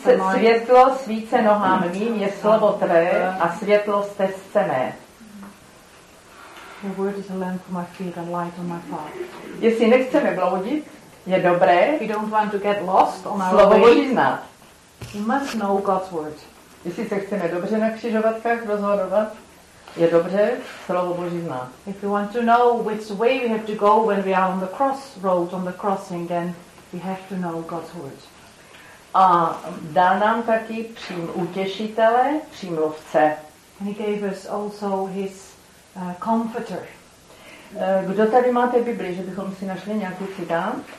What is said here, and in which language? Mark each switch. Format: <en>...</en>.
<cs>světlo svíce nohám mým, je slovo tvé a světlo stezce mé.</cs> <en>The word is a lamp for my feet and light on my path.</en> <cs>Jestli nechceme bloudit, je dobré.</cs> <en>We don't want to get lost on our</en> <cs>slovo</cs> <en>way.</en> <cs>Znát.</cs> <en>You must know God's word.</en> <cs>Jestli se chceme dobře na křižovatkách rozhodovat, je dobře slovo Boží znát.</cs> <en>If you want to know which way we have to go when we are on the crossroads, on the crossing, then we have to know God's word.</en> <cs>A dá nám taky přím utěšitele, přímluvce.</cs> <en>And he gave us also his comforter.</en> <cs>Kdo tady máte Bibli, že bychom si našli nějakou citát?</cs>